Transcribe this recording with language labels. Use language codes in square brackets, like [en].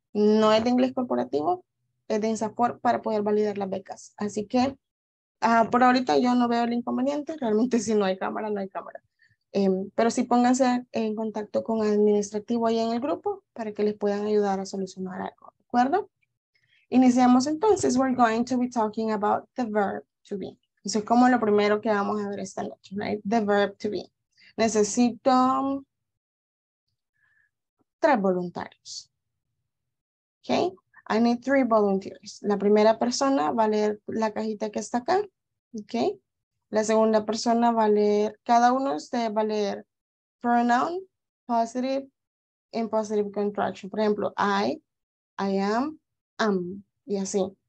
[es] No es de inglés corporativo, es de InsaFOAP para poder validar las becas. Así que por ahorita yo no veo el inconveniente, realmente si no hay cámara, no hay cámara. Pero sí pónganse en contacto con administrativo ahí en el grupo para que les puedan ayudar a solucionar algo, ¿de acuerdo? Iniciamos entonces, [en] we're going to be talking about the verb to be. [es] Eso es como lo primero que vamos a ver esta noche, right? [en] The verb to be. [es] Necesito 3 voluntarios. [en] Okay, I need 3 volunteers. [es] La primera persona va a leer la cajita que está acá. Okay, la segunda persona va a leer, cada uno de ustedes va a leer [en] pronoun, positive, and positive contraction. [es] Por ejemplo, [en] I am, [es] y así.